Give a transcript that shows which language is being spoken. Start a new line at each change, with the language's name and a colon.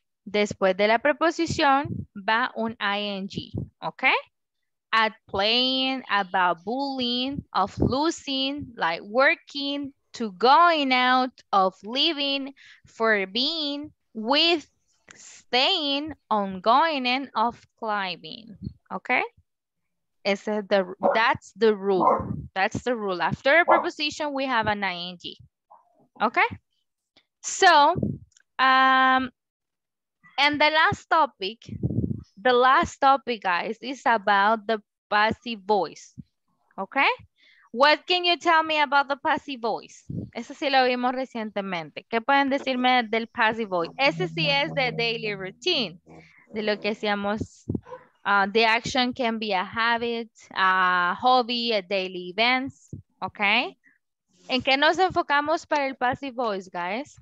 Spanish: Después de la preposición va un ing, okay?
English: At playing, about bullying, of losing, like working, to going out, of leaving, for being, with, staying, ongoing, and of climbing. Okay, it's the, that's the rule. That's the rule. After a preposition, we have an ing. Okay, so and the last topic, guys, is about the passive voice. Okay, what can you tell me about the passive voice?
Spanish: Ese sí lo vimos recientemente. ¿Qué pueden decirme del passive voice? Ese sí es de daily routine, de lo que hacíamos.
English: The action can be a habit, a hobby, a daily events, okay?
Spanish: ¿En qué nos enfocamos para el passive voice, guys?